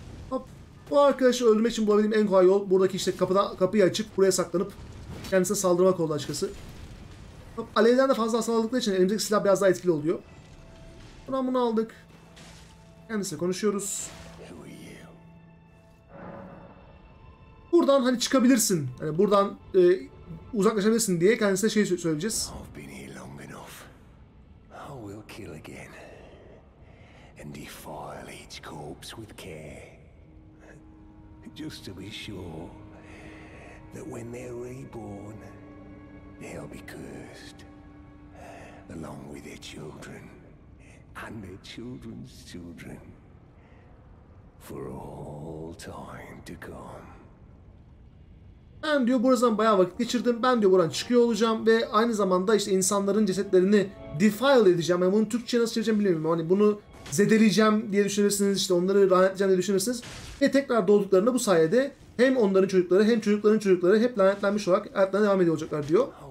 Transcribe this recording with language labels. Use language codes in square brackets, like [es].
[tr] Hop. Bu arkadaşı öldürmek için bulabildiğim en kolay yol buradaki işte kapıyı açıp buraya saklanıp kendisine saldırmak oldu açıkçası. Hop. Alevden de fazla hasar aldıkları için elimizdeki silah biraz daha etkili oluyor. Buradan bunu aldık. Kendisiyle konuşuyoruz. Buradan hani çıkabilirsin. Hani buradan uzaklaşabilirsin diye kendisine şey söyleyeceğiz. [en] I've been here long enough. I will kill again. And defile each corpse with care. Just to be sure that when they're reborn, they'll be cursed. Along with their children. And their children's children for all time to come. [tr] Ben diyor buradan bayağı vakit geçirdim. Ben diyor buradan çıkıyor olacağım ve aynı zamanda işte insanların cesetlerini defile edeceğim. Yani bunu Türkçe nasıl çevireceğim bilmiyorum. Hani bunu zedeleyeceğim diye düşünürsünüz. İşte onları lanetleyeceğim diye düşünürsünüz. Ve tekrar doğduklarında bu sayede hem onların çocukları hem çocukların çocukları hep lanetlenmiş olarak hayatlarına devam ediyor olacaklar diyor.